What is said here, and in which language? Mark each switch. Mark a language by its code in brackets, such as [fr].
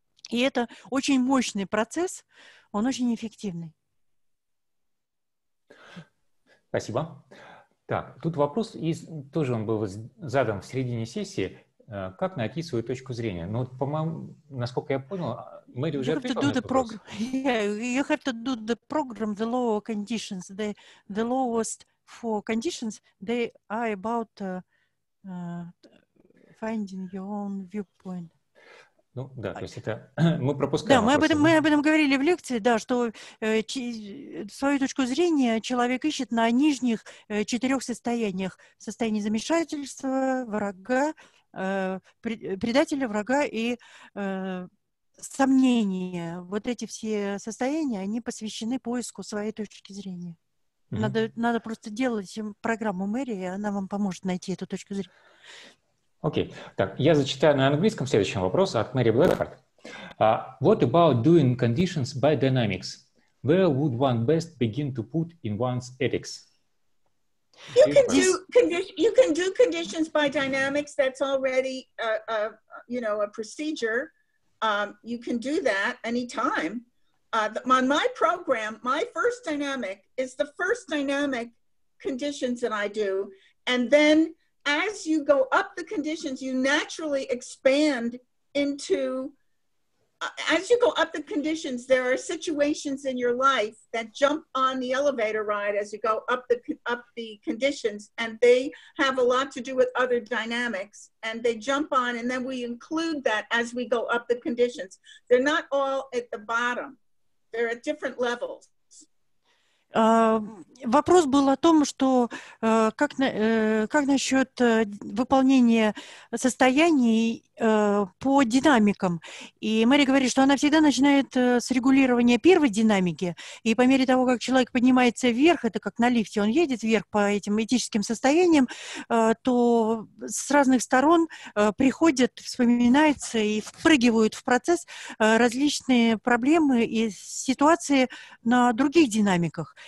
[ru] И это очень мощный процесс, он очень эффективный. Спасибо. Так, тут вопрос, и тоже он был задан в середине сессии, как найти свою точку зрения? Ну, по-моему, насколько я понял, Мэри уже ответила на этот вопрос. [en] You have to do the program, the lower conditions, the lowest four conditions, they are about finding your own viewpoint. [ru] Ну да, то есть это мы пропускаем. Да, мы об этом говорили в лекции, да, что свою точку зрения человек ищет на нижних четырех состояниях. Состояние замешательства, врага, предателя, врага и сомнения. Вот эти все состояния, они посвящены поиску своей точки зрения. Mm-hmm. Надо просто делать программу Мэри, и она вам поможет найти эту точку зрения. [en] Окей. Okay. [ru] Так, я зачитаю на английском следующий вопрос от Мэри Блэкхарт. [en] What about doing conditions by dynamics? Where would one best begin to put in one's ethics? You can do conditions by dynamics. That's already a procedure. You can do that anytime. On my program, my first dynamic is the first dynamic conditions that I do. And then as you go up the conditions, you naturally expand into, as you go up the conditions, there are situations in your life that jump on the elevator ride as you go up the conditions, and they have a lot to do with other dynamics, and they jump on, and then we include that as we go up the conditions. They're not all at the bottom. They're at different levels. [ru] Вопрос был о том, что как насчет выполнения состояний по динамикам. И Мэри говорит, что она всегда начинает с регулирования первой динамики, и по мере того, как человек поднимается вверх, это как на лифте, он едет вверх по этим этическим состояниям, то с разных сторон приходят, вспоминаются и впрыгивают в процесс различные проблемы и ситуации на других динамиках.